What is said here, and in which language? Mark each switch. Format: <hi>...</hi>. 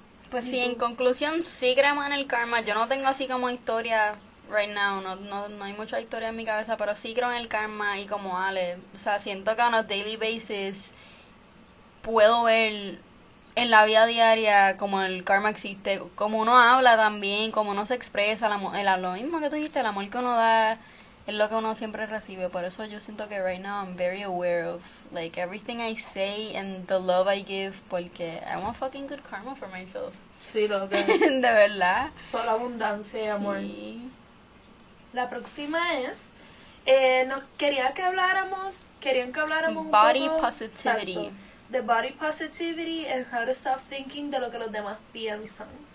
<es>Pues sí, en conclusión, sí creemos en el karma. Yo no tengo así como historia</es> <en>right now,</en> <es>no hay mucha historia en mi cabeza, pero sí creo en el karma y como Ale, o sea, siento que</es> <en>on a daily basis</en> <es>puedo ver en la vida diaria, como el karma existe, como uno habla también, como uno se expresa, lo mismo que tú dijiste, el amor que uno da es lo que uno siempre recibe. Por eso yo siento que</es> <en>right now I'm very aware of like everything I say and the love I give,</en> <es>porque</es> <en>I want fucking good karma for myself.</en> <es>Sí, lo que De verdad. solo abundancia y amor. Sí. La próxima es, nos querían que habláramos un</es> <en>Body</en> <es>poco,</es> <en>positivity.</en> <es>exacto, de body positivity</es> <en>and how to stop thinking</en> <es>de lo que los demás piensan.</es>